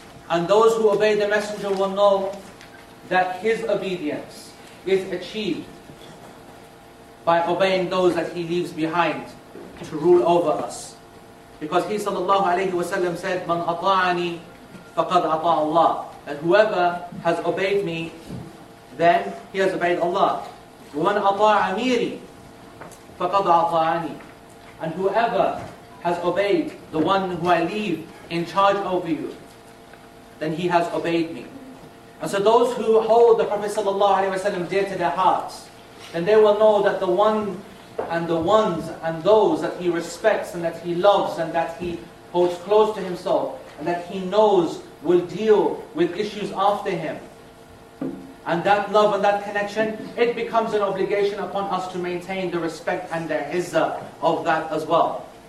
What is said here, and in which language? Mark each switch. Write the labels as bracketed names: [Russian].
[English] And those who obey the Messenger will know that his obedience is achieved by obeying those that he leaves behind to rule over us. Because he sallallahu alayhi wa sallam said, [Arabic] "Man ata'ani faqad ata Allah." [English] That whoever has obeyed me, then he has obeyed Allah. [Arabic] وَمَنْ أَطَاعَ أَمِيرِي فَقَدْ أَطَاعَنِي. [English] And whoever has obeyed the one who I leave in charge over you, then he has obeyed me. And so those who hold the Prophet ﷺ dear to their hearts, then they will know that the one and the ones and those that he respects and that he loves and that he holds close to himself and that he knows will deal with issues after him, and that love and that connection, it becomes an obligation upon us to maintain the respect and the izzah of that as well.